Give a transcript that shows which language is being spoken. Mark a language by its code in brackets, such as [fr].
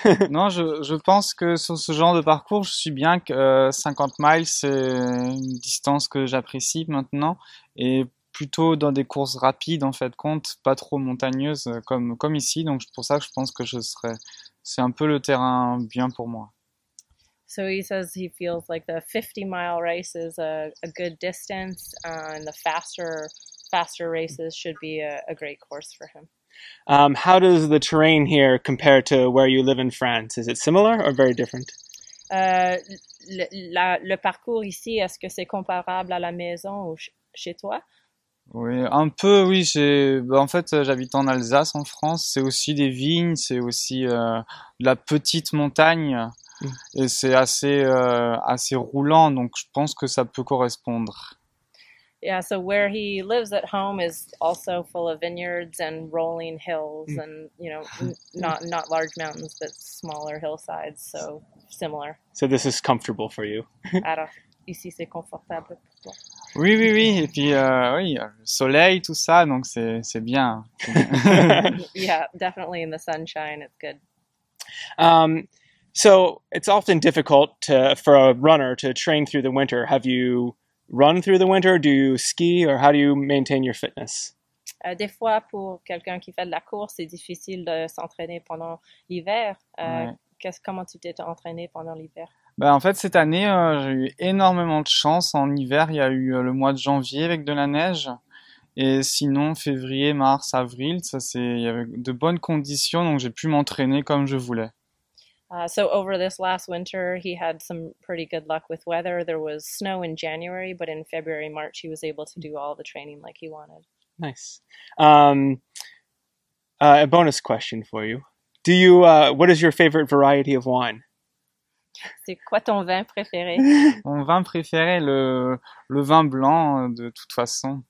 [fr] Non, je pense que sur ce genre de parcours, je suis bien que 50 miles, c'est une distance que j'apprécie maintenant, et plutôt dans des courses rapides, en fait, compte, pas trop montagneuses comme ici. Donc, pour ça, je pense que c'est un peu le terrain bien pour moi. [en] So he says he feels like the 50 mile race is a good distance, and the faster races should be a great course for him. How does the terrain here compare to where you live in France? Is it similar or very different? [fr] Le parcours ici, est-ce que c'est comparable à la maison ou chez toi? Oui, un peu, oui. En fait, j'habite en Alsace, en France. C'est aussi des vignes, c'est aussi de la petite montagne. Et c'est assez roulant, donc je pense que ça peut correspondre. [en] Yeah, so where he lives at home is also full of vineyards and rolling hills and, you know, not large mountains, but smaller hillsides, so similar. So this is comfortable for you. [fr] Alors, ici c'est confortable pour toi. Oui, oui, oui, et puis oui, soleil, tout ça, donc c'est bien. [en] Yeah, definitely in the sunshine, it's good. So it's often difficult for a runner to train through the winter. Have you run through the winter? Do you ski, or how do you maintain your fitness? [fr] Des fois, pour quelqu'un qui fait de la course, c'est difficile de s'entraîner pendant l'hiver. Comment tu t'es entraîné pendant l'hiver? Ben, en fait, cette année, j'ai eu énormément de chance. En hiver, il y a eu le mois de janvier avec de la neige. Et sinon, février, mars, avril, il y avait de bonnes conditions, donc j'ai pu m'entraîner comme je voulais. [en] So over this last winter, he had some pretty good luck with weather. There was snow in January, but in February, March, he was able to do all the training like he wanted. Nice. A bonus question for you. Do you, what is your favorite variety of wine? [fr] C'est quoi ton vin préféré? Mon vin préféré, le vin blanc, de toute façon.